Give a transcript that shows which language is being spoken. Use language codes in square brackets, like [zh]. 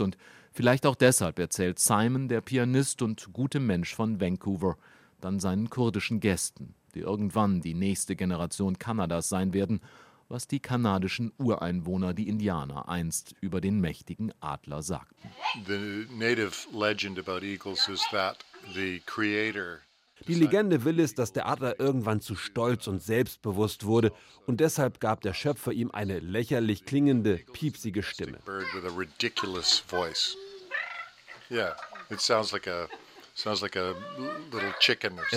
[de] Und vielleicht auch deshalb erzählt Simon, der Pianist und gute Mensch von Vancouver, dann seinen kurdischen Gästen, die irgendwann die nächste Generation Kanadas sein werden, was die kanadischen Ureinwohner, die Indianer, einst über den mächtigen Adler sagten. [en] The native legend about eagles is that the creator. [de] Die Legende will es, dass der Adler irgendwann zu stolz und selbstbewusst wurde und deshalb gab der Schöpfer ihm eine lächerlich klingende, piepsige Stimme. [en] Bird with a ridiculous voice. Yeah, it sounds like a sounds like a little chicken or something.